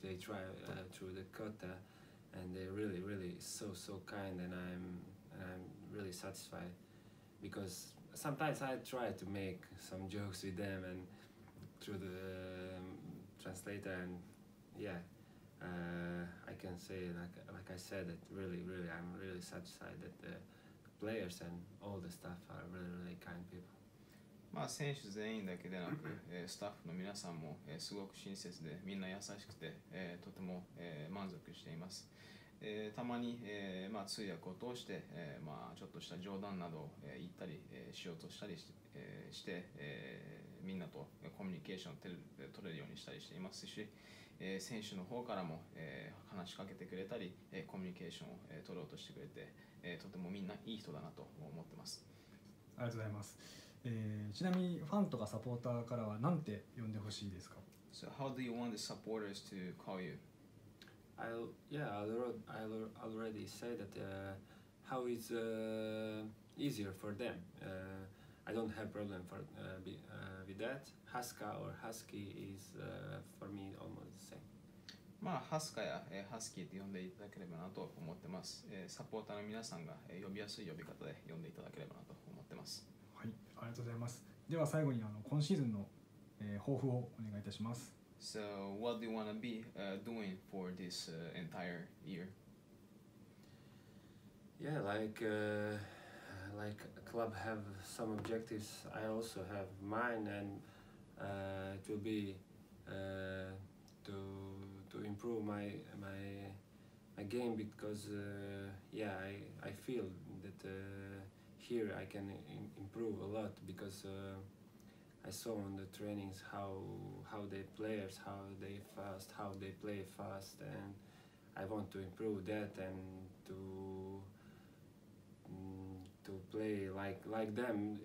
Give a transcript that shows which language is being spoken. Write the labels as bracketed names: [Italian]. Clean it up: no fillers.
[English] They try through the kata, and they really really so kind, and I'm really satisfied, because sometimes I try to make some jokes with them and through the translator, and yeah. I can say, like I said, that really, really, I'm really satisfied that the players and all the staff are really, really kind people. [Japanese] まあ選手全員だけでなく、スタッフの皆さんも、すごく親切で、みんな優しくて、とても、満足しています。たまに、まあ通訳を通して、まあちょっとした冗談などを、言ったり、しようとしたりして、して、みんなとコミュニケーションを取れるようにしたりしていますし、選手の方からも、話しかけてくれたり、コミュニケーションを、取ろうとしてくれて、とてもみんないい人だなと思ってます。ありがとうございます。ちなみにファンとかサポーターからは何て呼んでほしいですか？ [English] So how do you want the supporters to call you? I already said that how it's easier for them. I don't have problem for with that. Haska or Husky is for me almost the same. [Japanese] まあ、ハスカや、ハスキーと呼んでいただければなと思ってます。サポーターの皆さんが、呼びやすい呼び方で呼んでいただければなと思ってます。はい、ありがとうございます。では最後に今シーズンの、抱負をお願いいたします。 [English] So, what do you want to be doing for this entire year? Yeah, like club have some objectives. I also have mine and it will be to improve my game because I feel that here I can improve a lot because I saw on the trainings how they players how they play fast and I want to improve that and to play like them.